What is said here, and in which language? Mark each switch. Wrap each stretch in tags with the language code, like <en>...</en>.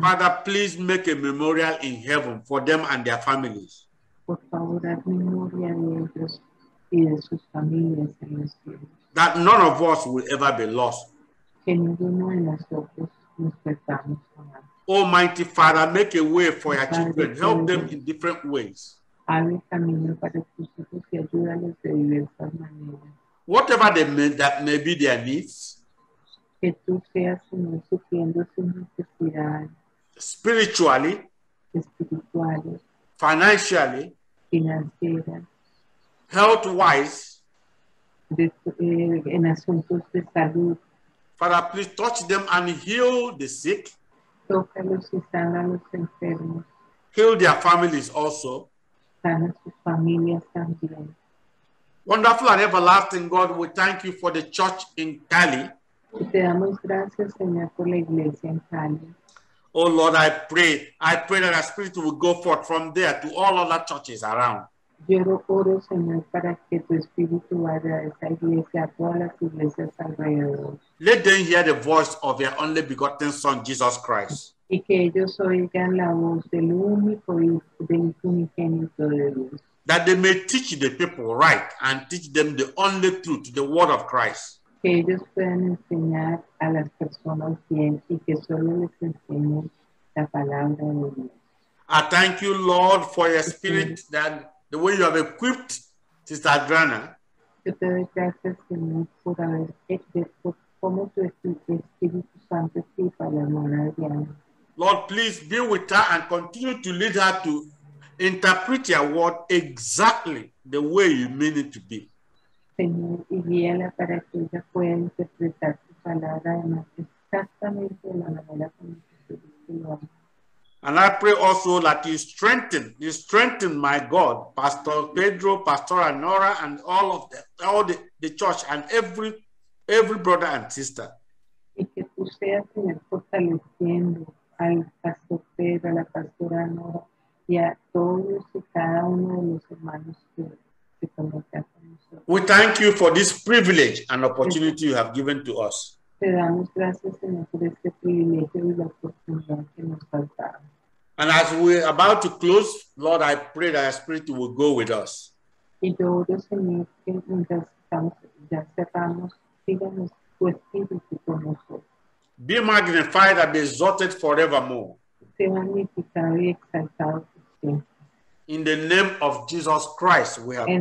<en>Father, please make a memorial in heaven for them and their families.</en> <es>Por favor, haz memoria de ellos y de sus familias en los cielos.</es> <en>That none of us will ever be lost.</en> <es>Que ninguno de nosotros nos perdamos.</es> <en>Oh, mighty Father, make a way for your children. Help them in different ways.</en> <es>Abre camino para tus hijos y ayúdalos de diversas maneras.</es> <en>Whatever they may, that may be their needs.</en> <es>Que tú seas, Señor, supliendo su necesidad.</es> <en>Spiritually.</en> <es>Espiritual.</es> <en>Financially.</en> <es>Financiera.</es> <en>Health-wise.</en> <es>En asuntos de salud.</es> <en>Father, please touch them and heal the sick.</en> <es>Tócalos y sana a los enfermos.</es> <en>Heal their families also.</en> <es>Sana sus familias también.</es> <en>Wonderful and everlasting God, we thank you for the church in Cali.</en> <es>Te damos gracias, Señor, por la iglesia en Cali.</es> <en>Oh Lord, I pray that our spirit will go forth from there to all other churches around.</en> <es>Yo oro, Señor, para que tu espíritu vaya a esa iglesia, a todas las iglesias alrededor.</es> <en>Let them hear the voice of your only begotten Son, Jesus Christ.</en> <es>Y que ellos oigan la voz del único hijo, del unigénito de Dios.</es> <en>That they may teach the people right and teach them the only truth, the word of Christ.</en> <es>Que ellos puedan enseñar a las personas bien y que solo les enseñen la palabra de Dios.</es> <en>I thank you, Lord, for your spirit, that the way you have equipped Sister Adriana.</en> <es>Yo te doy gracias, Señor, por haber hecho como tu Espíritu Santo y para la hermana Adriana.</es> <en>Lord, please be with her and continue to lead her to interpret your word exactly the way you mean it to be.</en> <es>Señor, y guíala para que ella pueda interpretar tu palabra exactamente de la manera como tú lo</es> <en>And I pray also that you strengthen my God, Pastor Pedro, Pastor Nora, and all of them, all the church, and every brother and sister.</en> <es>Y que tú seas, Señor, fortaleciendo al Pastor Pedro, a la Pastora Nora. Y a todos y cada uno de los hermanos que conectan con nosotros.</es> <en>We thank you for this privilege and opportunity you have given to us.</en> <es>Te damos gracias, Señor, por este privilegio y la oportunidad que nos has dado.</es> <en>And as we're about to close, Lord, I pray that your spirit will go with us.</en> <es>Y yo oro, Señor, que mientras estamos, ya cerramos, síganos tu espíritu con nosotros.</es> <en>Be magnified and be exalted forevermore. In the name of Jesus Christ, we have prayed.</en>